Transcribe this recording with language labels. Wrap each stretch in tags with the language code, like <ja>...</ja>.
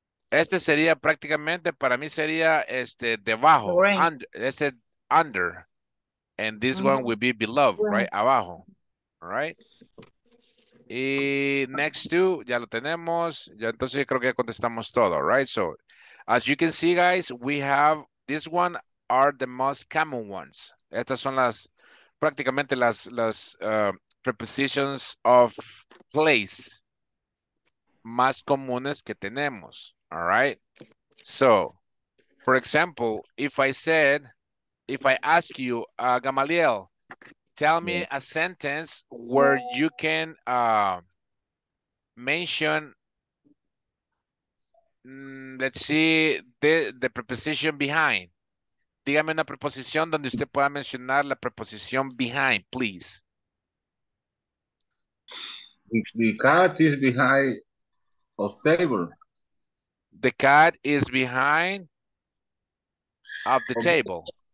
<es>Este sería prácticamente, para mí sería este, debajo.</es> <en>Under. And this one will be below, right?</en> <es>Abajo, right? Y next to, ya lo tenemos. Ya entonces creo que ya contestamos todo, right?</es> <en>So, as you can see, guys, we have, this one are the most common ones.</en> <es>Estas son las, prácticamente las prepositions of place más comunes que tenemos, all right?</es> <en>So, for example, if I ask you, Gamaliel, tell me a sentence where you can mention, let's see, the preposition behind.</en> <es>Dígame una preposición donde usted pueda mencionar la preposición behind, please.</es> <en>The cat is behind a table. The cat is behind of the table.</en>